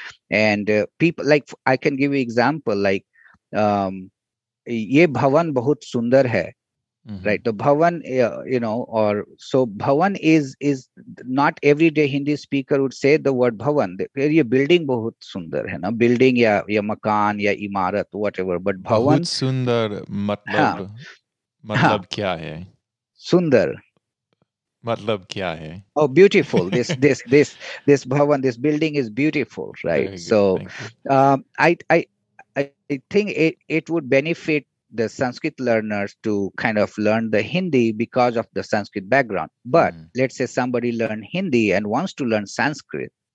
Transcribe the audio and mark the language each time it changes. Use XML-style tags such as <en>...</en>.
<en>And people, like, I can give you example, like, ye bhavan bahut sundar hai. Right, the bhavan, you know, or so bhavan is not every day Hindi speaker would say the word bhavan.</en> <hi>Where your building bahut sundar hai na, building ya makan ya imarat whatever, but bhavan बहुत सुंदर मतलब क्या है, sundar मतलब क्या है,</hi> <en>oh beautiful, this bhavan, this building is beautiful, right? Very so good, I think it would benefit the Sanskrit learners to kind of learn the Hindi because of the Sanskrit background. But let's say somebody learned Hindi and wants to learn Sanskrit.</en>